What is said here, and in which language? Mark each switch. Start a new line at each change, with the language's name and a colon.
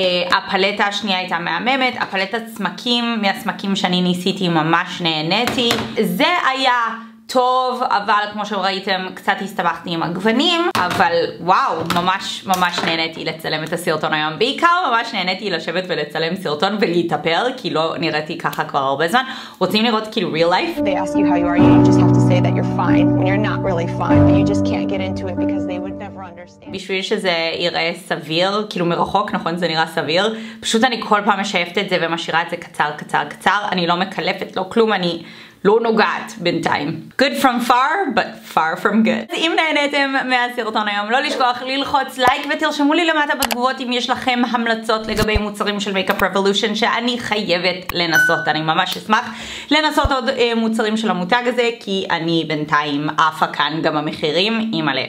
Hebrew: הפלטה השנייה הייתה מהממת. הפלטת צמקים, מהצמקים שאני ניסיתי ממש נהניתי. זה היה טוב, אבל כמו שראיתם, קצת הסתבכתי עם הגוונים, אבל וואו, ממש ממש נהניתי לצלם את הסרטון היום. בעיקר ממש נהניתי לשבת ולצלם סרטון ולהתאפר, כי לא נראיתי ככה כבר הרבה זמן. רוצים לראות כאילו
English: real life? They ask you how you are, you just have to say that you're fine, when you're not really fine, but you just can't get into it because they would never understand.
Hebrew: בשביל שזה יראה סביר, כאילו מרחוק, נכון, זה נראה סביר. פשוט אני כל פעם משייפת את זה ומשאירה את זה קצר, קצר, קצר. אני לא מקלפת, לא כלום, אני... לא נוגעת בינתיים.
English: Good from far, but far from good.
Hebrew: אז אם נהנתם מהסרטון היום, לא לשכוח ללחוץ לייק ותרשמו לי למטה בתגובות אם יש לכם המלצות לגבי מוצרים של מייקאפ רבולושן שאני חייבת לנסות. אני ממש אשמח לנסות עוד מוצרים של המותג הזה, כי אני בינתיים עפה כאן גם המחירים, אימאלה.